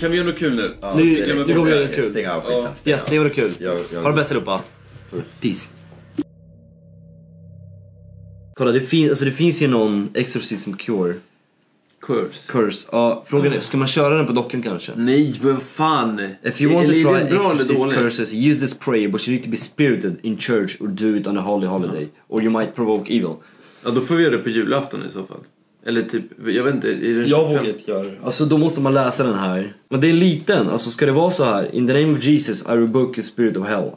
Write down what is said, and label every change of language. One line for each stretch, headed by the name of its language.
Swedish: Kan vi göra något kul nu? Ja, nu det kommer göra kul. Yes, det var kul. Ha det bästa uppe. Peace. Kolla, det finns ju någon exorcism cure. Curse. Ja, frågan är, ska man köra den på dockan kanske? Nej, men fan.
English: If you want to try exorcist curses, use this prayer, but you need to be spirited in church or do it on a holy holiday. Ja. Or you might provoke evil.
Swedish: Ja, då får vi göra det på julafton i så fall. Eller typ, jag vet inte. Jag vågar inte göra det. Alltså, då måste man läsa den här. Men det är liten. Alltså, ska det vara så här?
English: In the name of Jesus, I rebuke the spirit of hell.